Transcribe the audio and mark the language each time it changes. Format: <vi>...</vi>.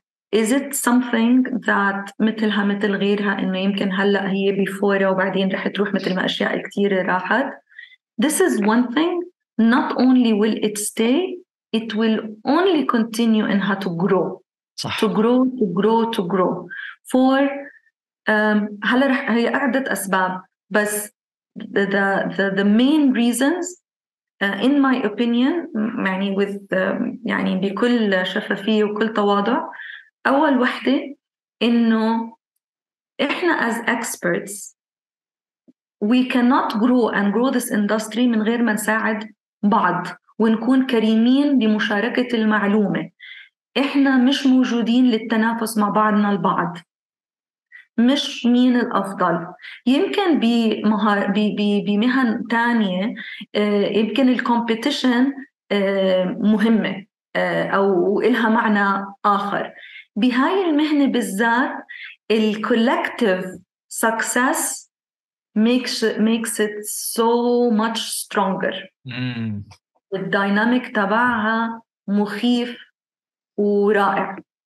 <en>Is it something that</en> <ar>مثلها مثل غيرها إنه يمكن هلأ هي</ar> <en>before</en> <ar>وبعدين رح تروح مثل ما أشياء كتير راحت.</ar> <en>This is one thing. Not only will it stay, it will only continue in her to grow.</en> <ar>صح.</ar> <en>To grow.</en> <ar>For هلا رح هي عدة أسباب بس</ar> <en>the main reasons in my opinion</en> <ar>يعني with يعني بكل شفافية وكل تواضع. أول واحدة إنه إحنا</ar> <en>as experts we cannot grow and grow this industry</en> <ar>من غير ما نساعد بعض ونكون كريمين بمشاركة المعلومة. إحنا مش موجودين للتنافس مع بعضنا البعض. مش مين الأفضل. يمكن بمهن تانية يمكن الكومبيتيشن مهمة أو إلها معنى آخر. بهاي المهنة بالذات الـ</ar> <en>collective success makes it so much stronger.</en> <ar>الديناميك تبعها مخيف ورائع.</ar>